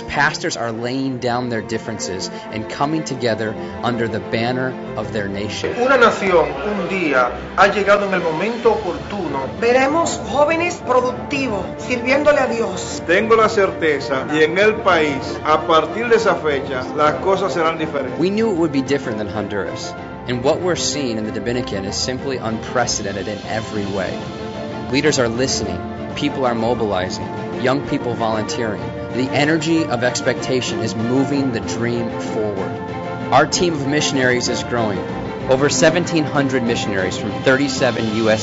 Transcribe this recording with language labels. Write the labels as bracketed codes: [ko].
[en] Pastors are laying down their differences and coming together under the banner of their nation. [es] Una nación, un día, ha llegado en el momento oportuno. Veremos jóvenes productivos sirviéndole a Dios. Tengo la certeza. Y en el país, a partir de esa fecha, las cosas serán diferentes. [en] We knew it would be different than Honduras. And what we're seeing in the Dominican is simply unprecedented in every way. Leaders are listening. People are mobilizing. Young people volunteering. The energy of expectation is moving the dream forward. Our team of missionaries is growing. Over 1,700 missionaries from 37 U.S.